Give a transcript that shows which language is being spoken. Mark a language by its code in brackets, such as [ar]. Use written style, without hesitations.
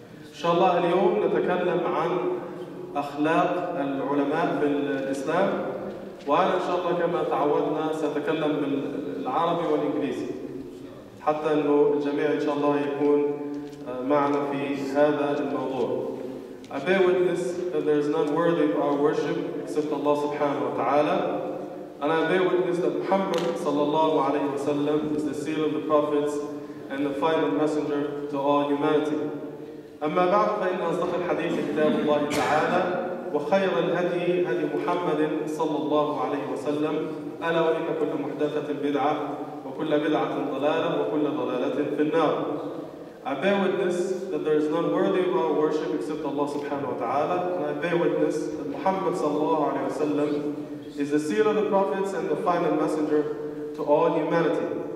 [ar] إن شاء الله اليوم نتكلم عن أخلاق العلماء بالإسلام، وأنا إن شاء الله كما تعودنا سأتكلم بالعربي والإنجليزي حتى أن الجميع إن شاء الله يكون معنا في هذا الموضوع. [en] I bear witness that there is none worthy of our worship except Allah subhanahu wa ta'ala. And I bear witness that Muhammad sallallahu alayhi wa sallam is the seal of the prophets and the final messenger to all humanity. [ar] أما بعد فإن أصدق الحديث كتاب الله تعالى وخير الهدي هدي محمد صلى الله عليه وسلم ألا وإن كل محدثة بدعة وكل بدعة ضلالة وكل ضلالة في النار. [en] I bear witness that there is none worthy of our worship except Allah subhanahu wa ta'ala. And I bear witness that Muhammad sallallahu alayhi wa sallam is the seal of the prophets and the final messenger to all humanity.